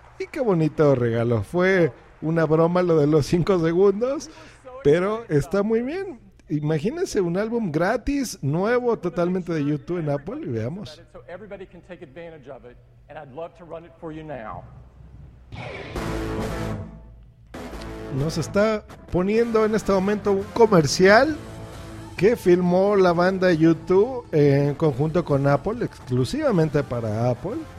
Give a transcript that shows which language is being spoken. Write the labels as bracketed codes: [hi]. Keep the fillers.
[es] Y qué bonito regalo. Fue una broma lo de los 5 segundos, pero está muy bien. Imagínense un álbum gratis, nuevo, totalmente de YouTube en Apple y veamos. [en] So, everybody can take advantage of it, and I'd love to run it for you now. [es] Nos está poniendo en este momento un comercial que filmó la banda YouTube en conjunto con Apple, exclusivamente para Apple.